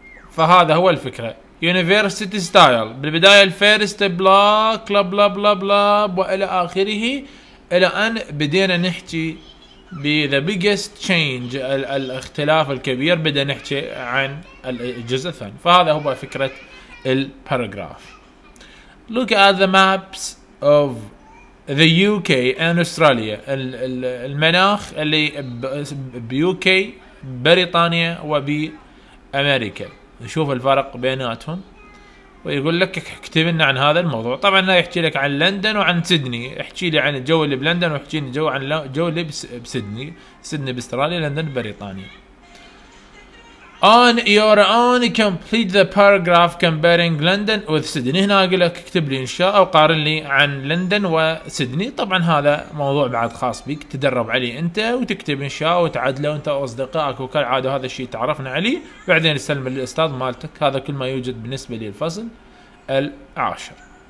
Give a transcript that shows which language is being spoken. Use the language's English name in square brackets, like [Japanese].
[Arabic] فهذا هو الفكرة. [English] University style [Arabic] بالبداية الفيرست بلاك بلا بلا بلا بلا وإلى آخره، إلى أن بدينا نحكي ب [English] the biggest change، [Arabic] الاختلاف الكبير، بدأ نحكي عن الجزء الثاني. فهذا هو فكرة الباراجراف. [English] Look at the maps of the UK and Australia. [Arabic] المناخ اللي بUK بريطانيا وبأمريكا، نشوف الفرق بيناتهم. ويقول لك اكتب لنا عن هذا الموضوع. طبعا لا يحكي لك عن لندن وعن سيدني، احكي لي عن الجو اللي بلندن واحكي لي جو عن الجو اللي بسيدني. سيدني باستراليا، لندن بريطانيا. [English] On your own complete the paragraph comparing London with Sydney. [Arabic] هنا اقول لك اكتب لي انشاء او قارن لي عن لندن وسيدني. طبعا هذا موضوع بعد خاص بك، تدرب عليه انت وتكتب انشاء وتعدله انت واصدقائك وكالعاده، هذا الشيء تعرفنا عليه، بعدين تسلم للاستاذ مالتك. هذا كل ما يوجد بالنسبه للفصل العاشر.